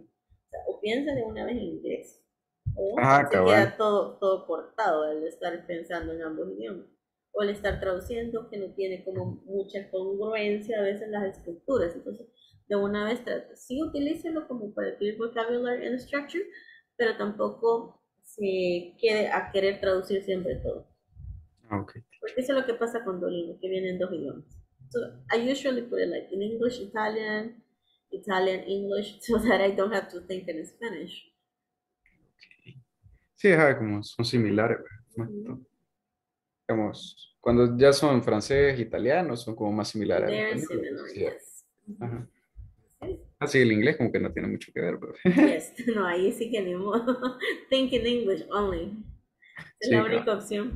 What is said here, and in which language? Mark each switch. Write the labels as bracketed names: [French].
[Spanish] O sea, o piensa de una vez en inglés. Queda todo cortado el estar pensando en ambos idiomas o el estar traduciendo, que no tiene como mucha congruencia a veces las estructuras. Entonces, de una vez sí utilícelo como para adquirir [English] vocabulary and structure, [Spanish] pero tampoco se quede a querer traducir siempre todo. Okay. Porque eso es lo que pasa con Duolingo, que viene en dos idiomas. [English] So I usually put it like in English, Italian, Italian, English, so that I don't have to think in Spanish. [Spanish] Sí, ajá, como son similares. Uh-huh. Digamos, cuando ya son francés, italiano, son como más similares. [English] They're similar, yes. [Spanish] Así el inglés como que no tiene mucho que ver. Pero... Yes, no, ahí sí que ni modo. [English] Think in English only. [Spanish] Es sí, la única opción.